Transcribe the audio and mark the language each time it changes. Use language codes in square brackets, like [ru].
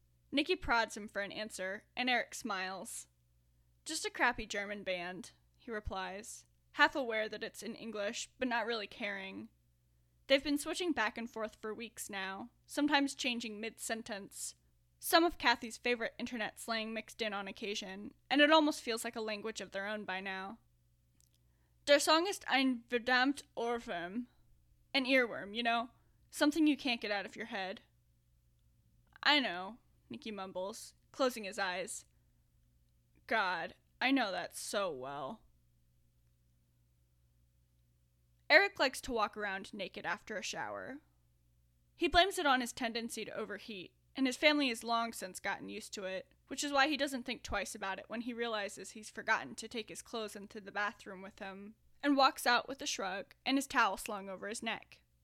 [en] Nikki prods him for an answer, and Eric smiles. Just a crappy German band, he replies, half aware that it's in English, but not really caring. They've been switching back and forth for weeks now, sometimes changing mid-sentence. Some of Kathy's favorite internet slang mixed in on occasion, and it almost feels like a language of their own by now. [de] Der Song ist ein verdammt Ohrwurm. [en] An earworm, you know? Something you can't get out of your head. I know, Nikki mumbles, closing his eyes. God, I know that so well. Eric likes to walk around naked after a shower. He blames it on his tendency to overheat, and his family has long since gotten used to it, which is why he doesn't think twice about it when he realizes he's forgotten to take his clothes into the bathroom with him, and walks out with a shrug and his towel slung over his neck.